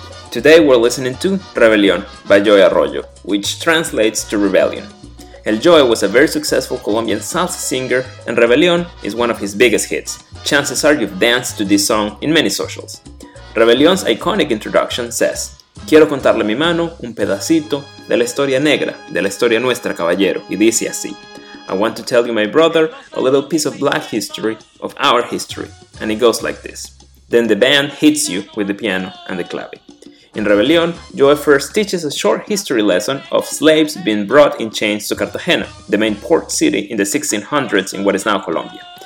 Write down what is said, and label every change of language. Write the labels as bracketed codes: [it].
[en] Today we're listening to Rebelión by Joe Arroyo, which translates to Rebellion. El Joe was a very successful Colombian salsa singer, and Rebelión is one of his biggest hits. Chances are you've danced to this song in many socials. Rebelión's iconic introduction says, [es] Quiero contarle mi mano un pedacito de la historia negra, de la historia nuestra, caballero, y dice así. [en] I want to tell you, my brother, a little piece of black history, of our history. And it goes like this. Then the band hits you with the piano and the clave. In Rebelión, Joe first teaches a short history lesson of slaves being brought in chains to Cartagena, the main port city in the 1600s in what is now Colombia.